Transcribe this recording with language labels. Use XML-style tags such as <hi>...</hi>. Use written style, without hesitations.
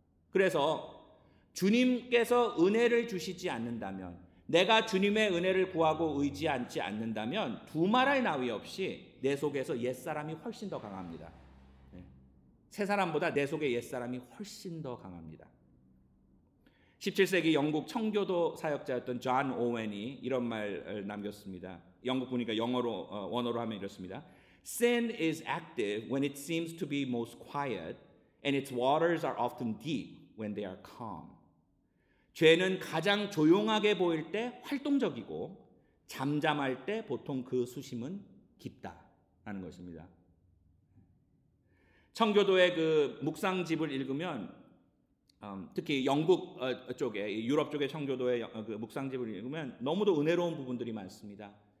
<ko>그래서 주님께서 은혜를 주시지 않는다면 내가 주님의 은혜를 구하고 의지하지 않는다면 두말할 나위 없이 내 속에서 옛사람이 훨씬 더 강합니다. 새사람보다 내 속에 옛사람이 훨씬 더 강합니다. 17세기 영국 청교도 사역자였던 존 오웬이 이런 말을 남겼습니다. 영국 보니까 영어로 원어로 하면 이렇습니다.</ko> <en>Sin is active when it seems to be most quiet and its waters are often deep when they are calm.</en> <ko>죄는 가장 조용하게 보일 때 활동적이고 잠잠할 때 보통 그 수심은 깊다라는 것입니다. 청교도의 그 묵상집을 읽으면 특히 영국 쪽에 유럽 쪽의 청교도의 그 묵상집을 읽으면 너무도 은혜로운 부분들이 많습니다.</ko>